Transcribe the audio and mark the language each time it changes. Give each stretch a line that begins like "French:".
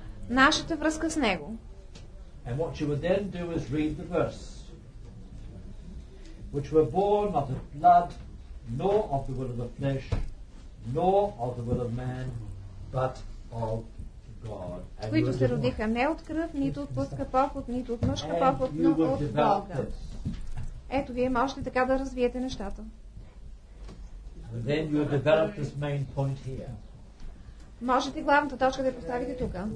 Bulgarian: Нашата връзка с Него.
English: And what you would then do is read the verse. Which were born not of blood, nor of the will of the flesh, nor of the will of man, but of God.
Bulgarian: Които се родиха не от кръв, нито от плътска поход, нито от мъжка поход, но от Бога. Ето, вие можете така да развиете нещата.
English: And then you develop this main point here.
Bulgarian: Можете главната точка да я поставите тук.